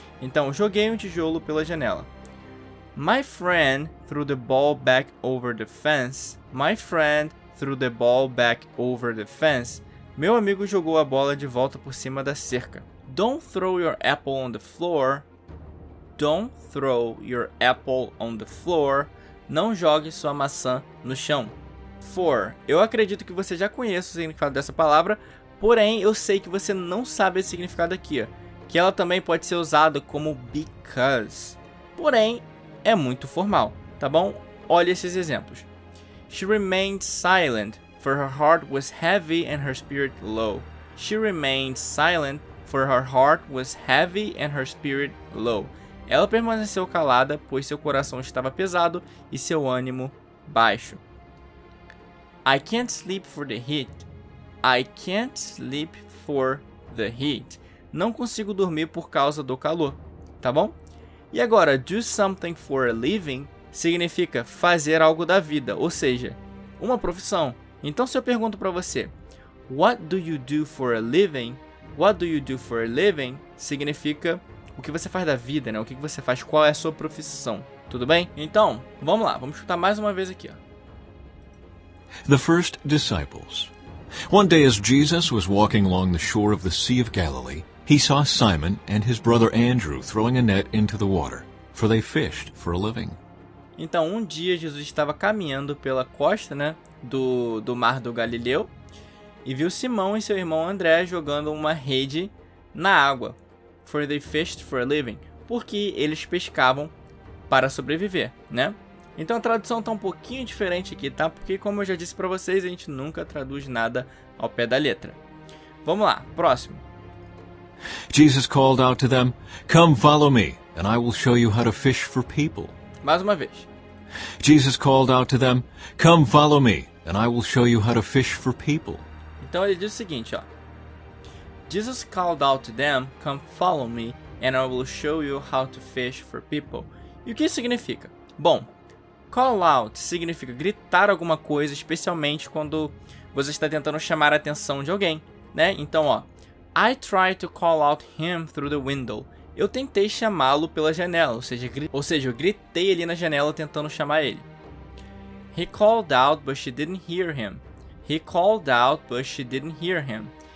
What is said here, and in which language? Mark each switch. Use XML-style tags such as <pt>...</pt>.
<pt>Então, joguei um tijolo pela janela.</pt> <en>My friend threw the ball back over the fence. My friend threw the ball back over the fence.</en> <pt>Meu amigo jogou a bola de volta por cima da cerca.</pt> <en>Don't throw your apple on the floor. Don't throw your apple on the floor.</en> <pt>Não jogue sua maçã no chão. For. Eu acredito que você já conheça o significado dessa palavra. Porém, eu sei que você não sabe esse significado aqui, ó. Que ela também pode ser usada como because. Porém, é muito formal, tá bom? Olha esses exemplos.</pt> <en>She remained silent for her heart was heavy and her spirit low. She remained silent, for her heart was heavy and her spirit low.</en> <pt>Ela permaneceu calada, pois seu coração estava pesado e seu ânimo baixo.</pt> <en>I can't sleep for the heat. I can't sleep for the heat.</en> <pt>Não consigo dormir por causa do calor, tá bom? E agora, do something for a living significa fazer algo da vida, ou seja, uma profissão. Então, se eu pergunto para você,</pt> <en>what do you do for a living? What do you do for a living</en> <pt>significa o que você faz da vida, né? O que você faz, qual é a sua profissão, tudo bem? Então, vamos lá, vamos chutar mais uma vez aqui, ó.</pt> <en>The first disciples. One day as Jesus was walking along the shore of the Sea of Galilee, he saw Simon and his brother Andrew throwing a net into the water, for they fished for a living.</en> <pt>Então, um dia Jesus estava caminhando pela costa, né, do mar do Galileu, e viu Simão e seu irmão André jogando uma rede na água,</pt> <en>for they fished for a living,</en> <pt>porque eles pescavam para sobreviver, né? Então a tradução tá um pouquinho diferente aqui, tá? Porque como eu já disse para vocês, a gente nunca traduz nada ao pé da letra. Vamos lá, próximo.</pt> <en>Jesus called out to them, "Come follow me, and I will show you how to fish for people."</en> <pt>Mais uma vez.</pt> <en>Jesus called out to them, "Come follow me, and I will show you how to fish for people."</en> <pt>Então ele diz o seguinte, ó.</pt> <en>Jesus called out to them, "Come follow me, and I will show you how to fish for people."</en> <pt>E o que isso significa? Bom, call out significa gritar alguma coisa, especialmente quando você está tentando chamar a atenção de alguém, né?</pt> <en>Então, ó, I tried to call out him through the window.</en> <pt>Eu tentei chamá-lo pela janela, ou seja, eu gritei ali na janela tentando chamar ele.</pt> <en>He called out, but she didn't hear him. He called out, but she didn't hear him.</en>